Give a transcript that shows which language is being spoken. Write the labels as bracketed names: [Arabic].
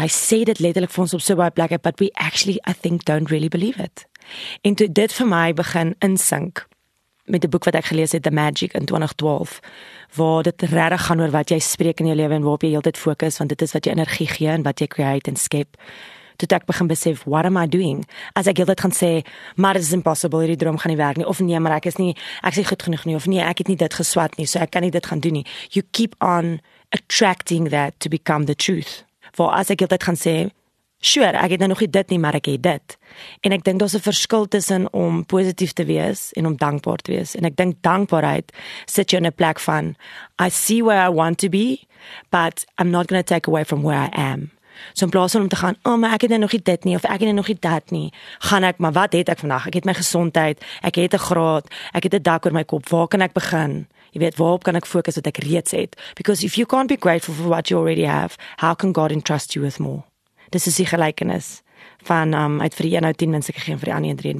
[Afrikaans] Hy sê dit letterlijk vir ons op so baie plekke, [English] but we actually, I think, don't really believe it. [Afrikaans] En toe dit vir my begin insink, met die boek wat ek gelees het, The Magic in 2012, waar dit redder gaan oor wat jy spreek in jou leven en waarop jy heel tyd focus, want dit is wat jy energie gee en wat jy create en skep. Toe ek begin besef, [English] what am I doing? [Afrikaans] As ek heel tyd gaan sê, maar [English] it's impossible, [Afrikaans] hierdie droom gaan nie werk nie, of nee, maar ek is nie goed genoeg nie, of nee, ek het nie dit geswat nie, so ek kan nie dit gaan doen nie. [English] You keep on attracting that to become the truth. [Afrikaans] Waar as ek heel tyd gaan sê, sure, ek het nou nog nie dit nie, maar ek het dit. En ek dink daar's 'n verskil tussen om positief te wees en om dankbaar te wees. En ek dink dankbaarheid sit jou in 'n plek van, [English] I see where I want to be, but I'm not going to take away from where I am. [Afrikaans] So in plaas van om te gaan, oh, maar ek het nou nog nie dit nie, of ek het nou nog nie dat nie, gaan ek, maar wat het ek vandag? Ek het my gesondheid, ek het 'n graad, ek het 'n dak oor my kop, waar kan ek begin? Jy weet, waarop kan ek fokus wat ek reeds het? [English] Because if you can't be grateful for what you already have, how can God entrust you with more? [Afrikaans] Dis is die gelykenis van uit vir die een nou 10 mense gegee en vir die ander 1 3.